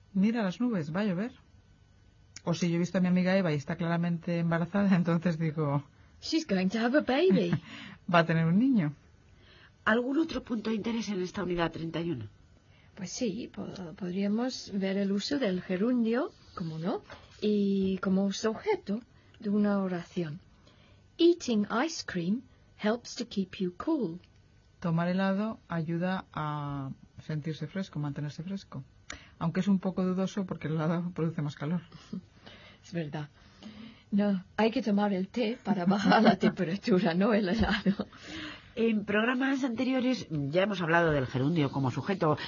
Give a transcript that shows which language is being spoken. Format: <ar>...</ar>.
<es>Mira las nubes, va a llover. O si yo he visto a mi amiga Eva y está claramente embarazada, entonces digo,</es> <en>she's going to have a baby.</en> <es>Va a tener un niño. ¿Algún otro punto de interés en esta unidad 31? Pues sí, podríamos ver el uso del gerundio, como no, y como sujeto de una oración.</es> <en>Eating ice cream helps to keep you cool.</en> <es>Tomar helado ayuda a sentirse fresco, mantenerse fresco. Aunque es un poco dudoso porque el helado produce más calor. Es verdad. No, hay que tomar el té para bajar la temperatura, no el helado. En programas anteriores ya hemos hablado del gerundio como sujeto.</es>